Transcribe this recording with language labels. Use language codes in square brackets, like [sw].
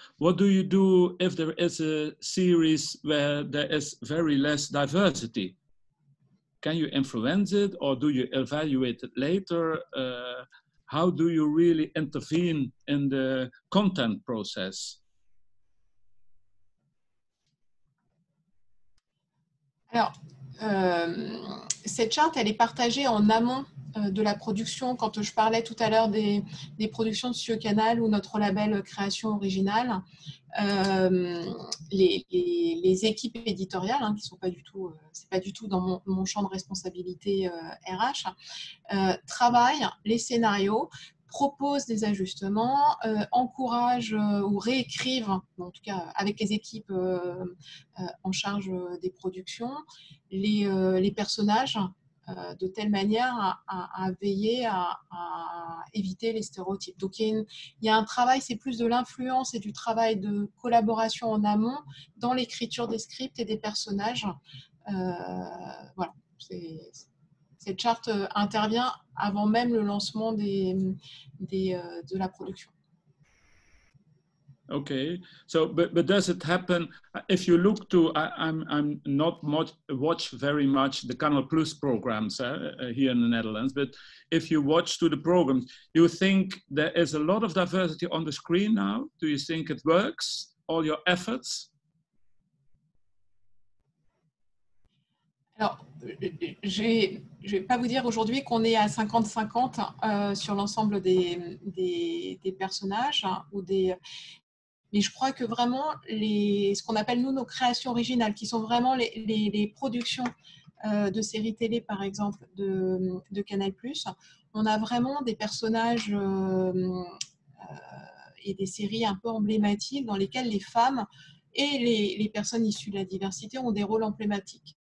[en] What do you do if there is a series where there is very less diversity? Can you influence it or do you evaluate it later? How do you really intervene in the content process? [fr] Alors, cette charte, elle est partagée en amont de la production. Quand je parlais tout à l'heure des productions de Cieux Canal ou notre label Création Originale, les équipes éditoriales, qui sont pas du tout, c'est pas du tout dans mon champ de responsabilité RH, travaillent les scénarios, proposent des ajustements, encouragent ou réécrivent, en tout cas avec les équipes en charge des productions, les personnages, de telle manière à veiller à éviter les stéréotypes. Donc il y a un travail, c'est plus de l'influence et du travail de collaboration en amont dans l'écriture des scripts et des personnages. Voilà, cette charte intervient avant même le lancement de la production. [en] Okay, so but does it happen if you look to I'm not much watch very much the Canal Plus programs here in the Netherlands, but if you watch to the programs, you think there is a lot of diversity on the screen now? Do you think it works, all your efforts? [fr] Alors, je vais pas vous dire aujourd'hui qu'on est à 50-50 sur l'ensemble des personnages ou des. Mais je crois que vraiment, ce qu'on appelle nous nos créations originales, qui sont vraiment les productions de séries télé, par exemple, de Canal+, on a vraiment des personnages et des séries un peu emblématiques dans lesquelles les femmes et les personnes issues de la diversité ont des rôles emblématiques.